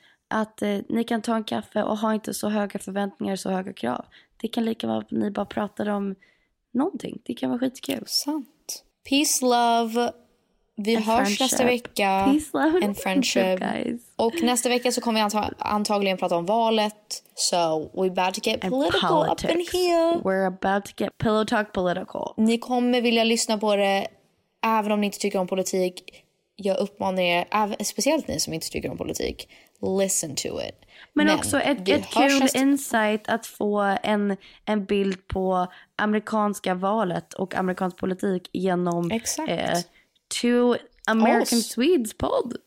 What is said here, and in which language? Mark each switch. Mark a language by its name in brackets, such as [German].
[Swedish] Att ni kan ta en kaffe och ha inte så höga förväntningar, så höga krav. Det kan lika vara att ni bara pratar om någonting. Det kan vara skitkul. Sant. [English] Peace, love. [Swedish] Vi hörs nästa vecka. [English] Peace, love and friendship. Guys. [Swedish] Och nästa vecka så kommer vi antagligen prata om valet. [English] So we're about to get political up in here. We're about to get pillow talk political. [Swedish] Ni kommer vilja lyssna på det även om ni inte tycker om politik. Jag uppmanar er, speciellt ni som inte tycker om politik, [English] listen to it. [Swedish] Men också ett kul insight att få en bild på amerikanska valet och amerikansk politik genom two American Swedes pod.